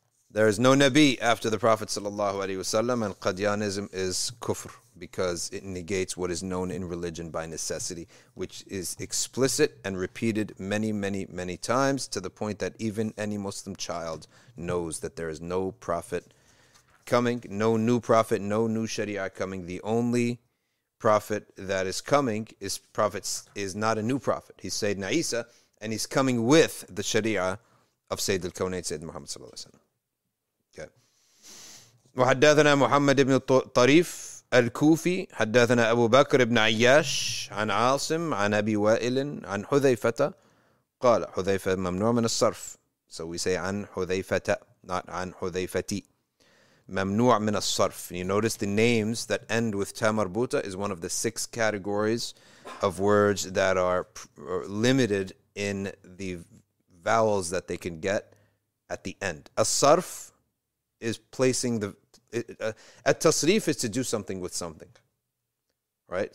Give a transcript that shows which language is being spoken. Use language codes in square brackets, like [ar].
[en] There is no Nabi after the Prophet sallallahu alayhi wasallam, and Qadianism is kufr because it negates what is known in religion by necessity, which is explicit and repeated many, many, many times to the point that even any Muslim child knows that there is no prophet coming, no new prophet, no new Sharia coming. The only prophet that is coming is not a new prophet. He's Sayyidina Isa, and he's coming with the Sharia of Sayyid al-Kawnain, Sayyid Muhammad sallallahu alayhi wa sallam. [ar] وحدثنا محمد بن طريف الكوفي حدثنا أبو بكر بن عياش عن عاصم عن أبي وائل عن حذيفة قال حذيفة ممنوع من الصرف. [en] So we say [ar] عن حذيفة, [en] not عن حذيفة. [ar] ممنوع من الصرف. [en] You notice the names that end with [ar] تا مربوطة [en] is one of the six categories of words that are limited in the vowels that they can get at the end. الصرف is placing the at tasrif is to do something with something, right?